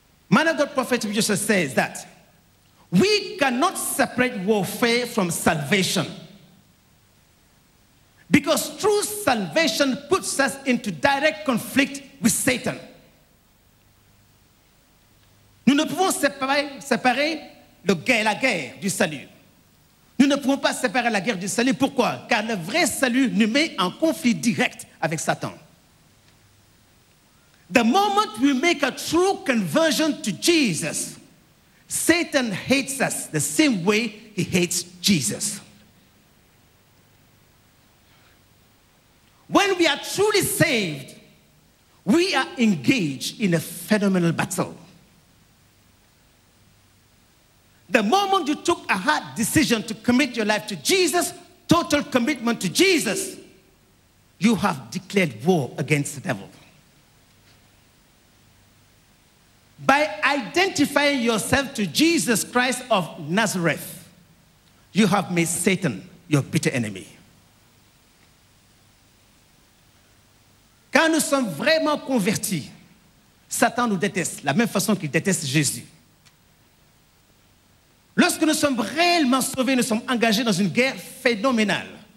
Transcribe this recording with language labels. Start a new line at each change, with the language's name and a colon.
English: Man of God, prophet Joshua says that we cannot separate warfare from salvation, because true salvation puts us into direct conflict with Satan.
French: Nous ne pouvons séparer la guerre du salut. Nous ne pouvons pas séparer la guerre du salut. Pourquoi? Car le vrai salut nous met en conflit direct avec Satan.
English: The moment we make a true conversion to Jesus, Satan hates us the same way he hates Jesus. When we are truly saved, we are engaged in a phenomenal battle. The moment you took a hard decision to commit your life to Jesus, total commitment to Jesus, you have declared war against the devil. By identifying yourself to Jesus Christ of Nazareth, you have made Satan your bitter enemy.
French: Quand nous sommes vraiment convertis, Satan nous déteste, la même façon qu'il déteste Jésus. Lorsque nous sommes réellement sauvés, nous sommes engagés dans une guerre phénoménale.